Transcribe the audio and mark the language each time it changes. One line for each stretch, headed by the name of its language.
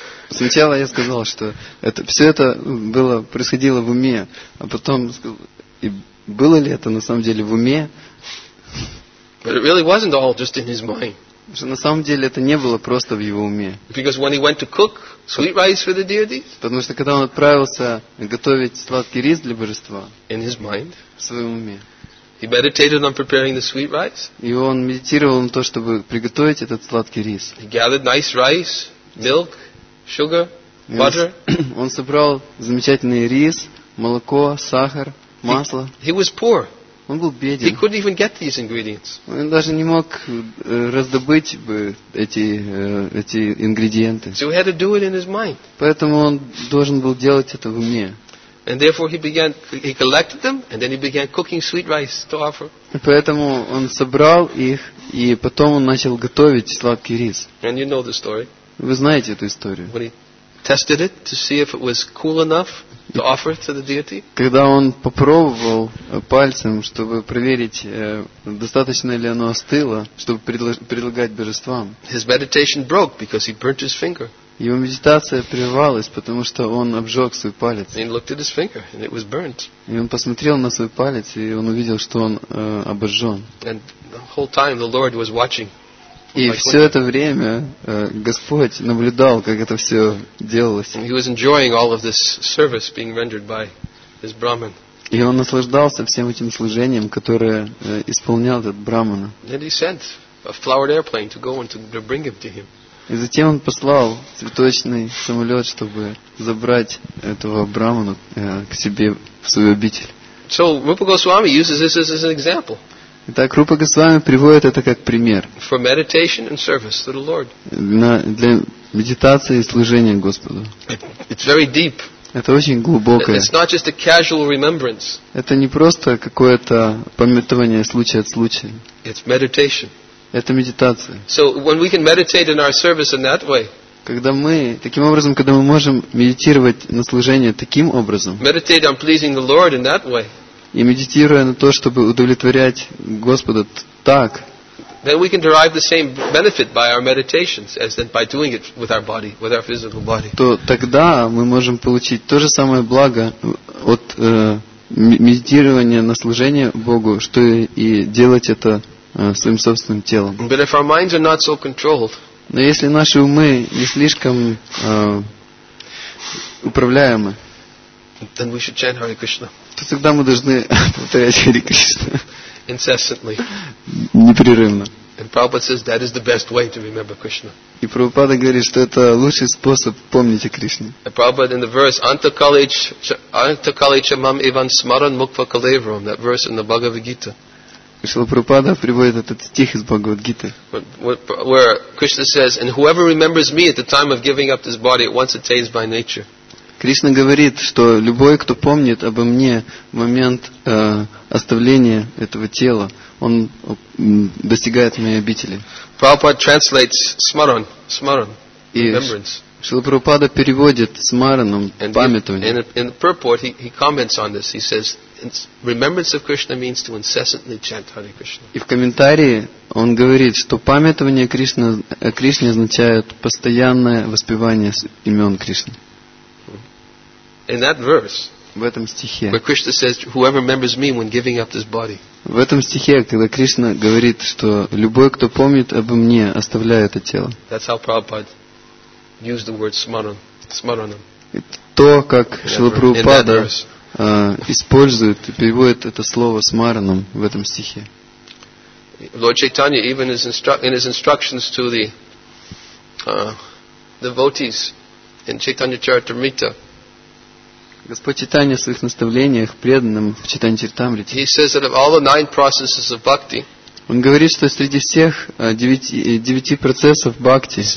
Russian: Сначала я сказал, что это все это было происходило в уме, а потом и было ли это на самом деле в уме?
English: But it really wasn't all just in his mind.
Russian: Что на самом деле это не было просто в его уме.
English: Because when he went to cook sweet rice for the deity.
Russian: Потому что когда он отправился готовить сладкий рис для божества.
English: In his mind.
Russian: В своем уме.
English: He meditated on preparing the sweet rice.
Russian: И он медитировал на то, чтобы приготовить этот сладкий рис.
English: He gathered nice rice, milk. Sugar, butter.
Russian: Он собрал замечательный рис, молоко, сахар, масло.
English: He was poor.
Russian: Он был беден.
English: He couldn't even get these ingredients.
Russian: Он даже не мог раздобыть бы эти ингредиенты.
English: So he had to do it in his mind.
Russian: Поэтому он должен был делать это в уме.
English: And therefore he collected them and then he began cooking sweet rice to offer.
Russian: Поэтому он собрал их и потом он начал готовить сладкий рис.
English: And you know the story.
Russian: Вы знаете эту историю.
English: When he tested it to see if it was cool enough to offer it to the deity.
Russian: Когда он попробовал пальцем, чтобы проверить, достаточно ли оно остыло, чтобы предлагать божествам.
English: His meditation broke because he burnt his finger.
Russian: Его медитация прервалась, потому что он обжег свой палец.
English: And he looked at his finger and it was burnt.
Russian: И он посмотрел на свой палец и он увидел, что он обожжен.
English: And the whole time the Lord was watching.
Russian: И все это время Господь наблюдал, как это все делалось.
English: He was enjoying all of this service being rendered by this Brahman.
Russian: И он наслаждался всем этим служением, которое исполнял этот Брахмана.
English: And he sent a flowered airplane to go and to bring it to him.
Russian: И затем он послал цветочный самолет, чтобы забрать этого Брахмана к себе в свою обитель.
English: So Rupa Goswami uses this as an example.
Russian: Итак, Рупа Госвами приводит это как пример.
English: For meditation and service to the Lord.
Russian: Для медитации и служения Господу.
English: It's very deep.
Russian: Это очень глубокое.
English: It's not just a casual remembrance.
Russian: Это не просто какое-то памятование случая от случая.
English: It's meditation.
Russian: Это медитация.
English: So when we can meditate in our service in that way.
Russian: Когда мы таким образом, когда мы можем медитировать на служение таким образом.
English: Meditate on pleasing the Lord in that way.
Russian: И медитируя на то, чтобы удовлетворять Господа так,
English: then we can derive the same benefit by our meditations as then by doing it with our body, with our physical body.
Russian: То тогда мы можем получить то же самое благо от медитирования на служение Богу, что и делать это своим собственным телом.
English: But if our minds are not so controlled,
Russian: но если наши умы не слишком управляемы,
English: then we should chant Hare Krishna.
Russian: То тогда мы должны повторять Хари Кришна.
English: Incessantly.
Russian: Непрерывно.
English: And Prabhupada says that is the best way to remember Krishna.
Russian: И Прабхупада говорит, что это лучший способ помнить о Кришне.
English: And Prabhupada in the verse Antakalicham Ivan Smaran Mukva Kalevram, that verse in the Bhagavad Gita.
Russian: Шрила Прабхупада приводит этот стих из Бхагавад Гиты.
English: Where Krishna says, and whoever remembers me at the time of giving up this body, at once attains my nature.
Russian: Кришна говорит, что любой, кто помнит обо мне в момент оставления этого тела, он достигает моей обители.
English: Prabhupada translates smaran, remembrance.
Russian: Шрила Прабхупада переводит смараном, памятование.
English: In the purport, he comments on this. He says, remembrance of Krishna means to incessantly chant Hare Krishna.
Russian: И в комментарии он говорит, что памятование Кришны, о Кришне означает постоянное воспевание имен Кришны.
English: In that verse,
Russian: в этом стихе,
English: where Krishna says, "Whoever remembers me when giving up this body."
Russian: В этом стихе, когда Кришна говорит, что любой, кто помнит обо мне, оставляет это тело.
English: That's how Prabhupada used the word smaranam.
Russian: То, как Шрила Прабхупада использует и переводит это слово смаранам в этом стихе.
English: Lord Chaitanya, even in his instructions to the devotees in Chaitanya Charitamrita,
Russian: Господь Чайтанья в своих наставлениях преданным в Чайтанья-чаритамрите, он говорит, что среди всех девяти процессов бхакти,